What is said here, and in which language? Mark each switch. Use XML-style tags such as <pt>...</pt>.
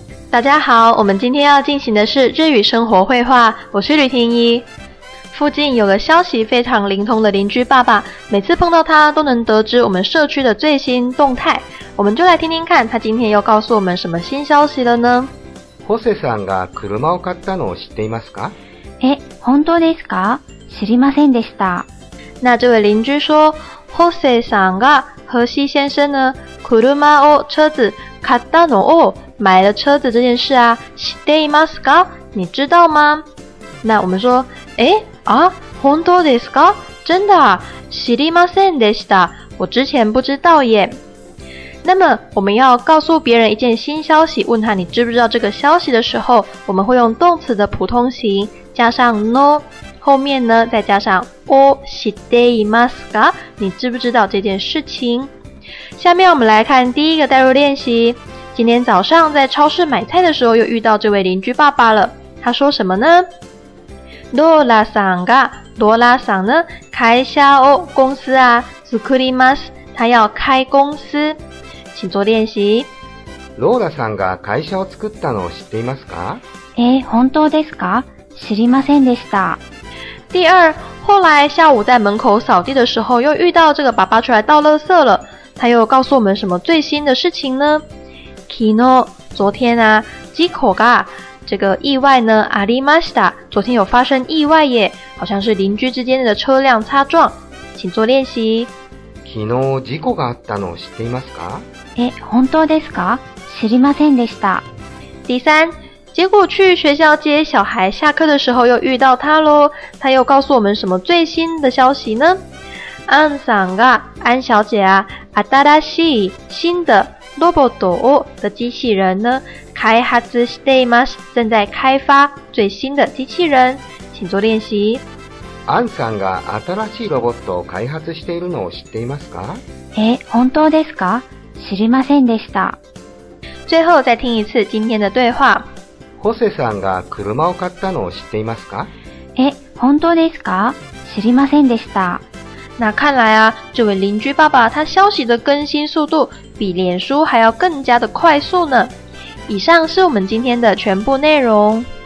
<zh>大家好，我们今天要进行的是日语生活绘画，我是吕婷宜。附近有个消息非常灵通的邻居爸爸，每次碰到他都能得知我们社区的最新动态。我们就来听听看，他今天又告诉我们什么新消息了呢？</zh> <ja>ホセさんが車を買ったのを知っていますか？え、本当ですか？知りませんでした。</ja> <zh>那这位邻居说，</zh> <ja>ホセさんが</ja> <zh>河西先生呢，</zh> <ja>車を</ja> <zh>车子</zh> <ja>買ったのを</ja> <zh>买了车子这件事啊，</zh> <ja>知っていますか？</ja> <zh>你知道吗？那我们说，诶啊，</zh> <ja>本当ですか？</ja> <zh>真的啊，</zh> <ja>知りませんでした。</ja> <zh>我之前不知道耶。那么我们要告诉别人一件新消息，问他你知不知道这个消息的时候，我们会用动词的普通形加上 no， 后面呢再加上</zh> <ja>を知っていますか？</ja> <zh>你知不知道这件事情？下面我们来看第一个代入练习。今天早上在超市买菜的时候，又遇到这位邻居爸爸了。他说什么呢？</zh> <ja>ローラさんが、ローラさん呢？会社を、</ja> <zh>公司啊，</zh> <ja>作ります。</ja> <zh>他要开公司，请做练习。</zh> <ja>ローラさんが会社を作ったのを知っていますか？本当ですか？知りませんでした。</ja> <zh>第二，后来下午在门口扫地的时候，又遇到这个爸爸出来倒垃圾了。他又告诉我们什么最新的事情呢？</zh> <ja>昨日，</ja> <zh>昨天啊，</zh> <ja>事故が。</ja> <zh>这个意外呢，</zh> <ja>ありました。</ja> <zh>昨天有发生意外耶，好像是邻居之间的车辆擦撞，请做练习。</zh> <ja>昨日事故があったのを知っていますか？本当ですか？知りませんでした。</ja> <zh>第三，结果去学校接小孩下课的时候又遇到他咯，他又告诉我们什么最新的消息呢？</zh> <ja>アンさんが、</ja> <zh>安小姐啊，</zh> <ja>新しい</ja> <zh>新的</zh> <ja>ロボットを</ja> <zh>的机器人呢？</zh> <ja>開発しています。</ja> <zh>正在开发最新的机器人。请做练习。</zh> <ja>アンさんが新しいロボットを開発しているのを知っていますか？本当ですか？知りませんでした。</ja> <zh>最后再听一次今天的对话。</zh> <ja>ホセさんが車を買ったのを知っていますか？本当ですか？知りませんでした。</ja> <zh>那看来啊，这位邻居爸爸他消息的更新速度比脸书还要更加的快速呢。以上是我们今天的全部内容。</zh>